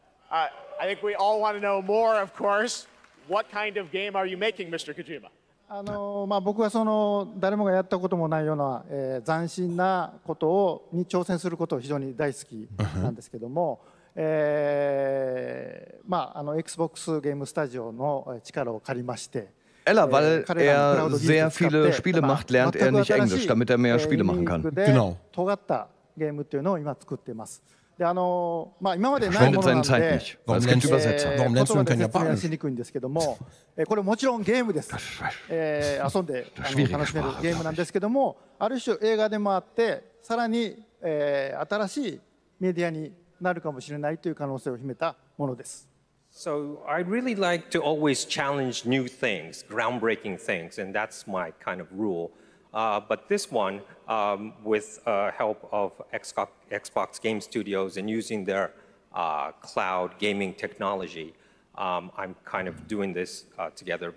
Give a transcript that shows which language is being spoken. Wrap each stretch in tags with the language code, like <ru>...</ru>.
<en>I think we all want to know more, of course. What kind of game are you making, Mr. Kojima?</en> <ja>まあ、僕はその誰もがやったこともないような、斬新なことをに挑戦することを非常に大好きなんですけども、まあ、あの Xbox ゲームスタジオの力を借りまして</ja> <de>Ella, weil er sehr viele Spiele macht, lernt er nicht Englisch, damit er mehr Spiele machen kann. Genau.</de> <ja>尖ったゲームっていうのを今作ってます。で、まあ、今までないものなんで、</ja> <de>Warum lernst du übersetzt? Warum lernst du kein Japanisch?</de> <ja>言葉で説明しにくいんですけども、これもちろんゲームです。遊んで楽しめるゲームなんですけども、ある種映画でもあって、さらに新しいメディアになるかもしれないという可能性を秘めたものです。</ja> <en>So I really like to always challenge new things, groundbreaking things, and that's my kind of rule. But this one, with help of Xbox Game Studios and using their cloud gaming technology, I'm kind of doing this together.</en>